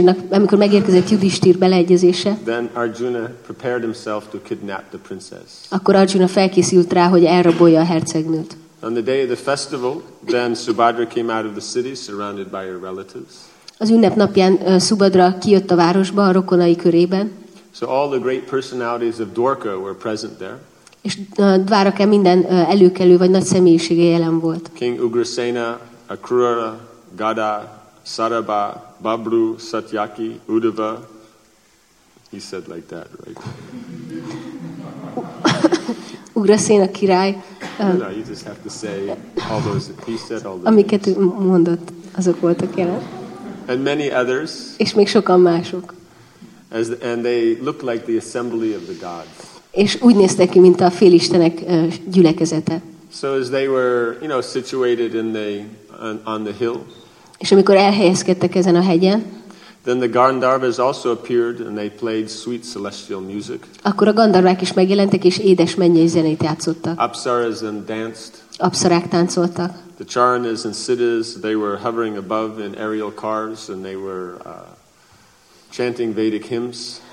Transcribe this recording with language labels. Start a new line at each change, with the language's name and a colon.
Hungarian: amikor megérkezett Yudhishthira beleegyezése,
English: then Arjuna prepared himself to kidnap the princess.
Hungarian: Akkor Arjuna felkészült rá, hogy elrabolja a hercegnőt.
English: On the day of the festival, then Subhadra came out of the city, surrounded by her relatives.
Hungarian: Az ünnepnapján Subhadra kijött a városba, a rokonai körében.
English: So all the great personalities of Dwarka were present there.
Hungarian: És Dwarka minden előkelő vagy nagy személyisége jelen volt.
English: King Ugrasena, Akrura, Gada, Saraba, Babru, Satyaki, Uddhava. He said like that, right?
Hungarian: Ugrasena király.
English: You just have to say all those. He said all those.
Hungarian: Amiket mondott, azok voltak jelen.
English: And many others.
Hungarian: És még sokan mások.
English: As the, and they looked like the assembly of the gods.
Hungarian: És úgy néztek ki, mint a félistenek gyülekezete.
English: So as they were, you know, situated in the on the hill.
Hungarian: És amikor elhelyezkedtek ezen a hegyen.
English: Then the Gandharvas also appeared and they played sweet celestial music.
Hungarian: Akkor a gandharvák is megjelentek és édes mennyei zenét játszottak.
English: Apsaras and danced.
Hungarian: Apsarák táncoltak.
English: The charanas and siddhas, they were hovering above in aerial cars and they were chanting Vedic hymns.